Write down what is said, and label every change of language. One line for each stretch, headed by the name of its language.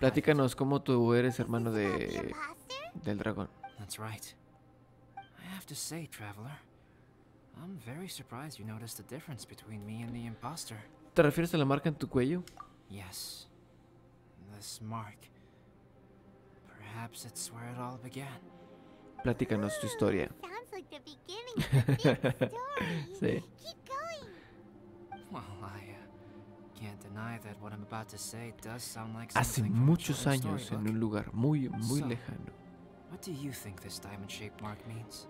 Spanish: Platícanos cómo tú eres hermano de del dragón.
English: That's right. I have to say, traveler, I'm very surprised you noticed the difference between me and the imposter.
Spanish: ¿Te refieres a la marca en tu cuello?
English: Yes. This mark. Perhaps it's where it all began.
Spanish: Platícanos tu historia.
English: Sounds like the beginning of the story.
Spanish: Sí.
English: Keep going. Well, can't deny that what I'm about to say does sound like
Spanish: hace muchos años en un lugar muy muy lejano.
English: What do you think this diamond shaped mark means?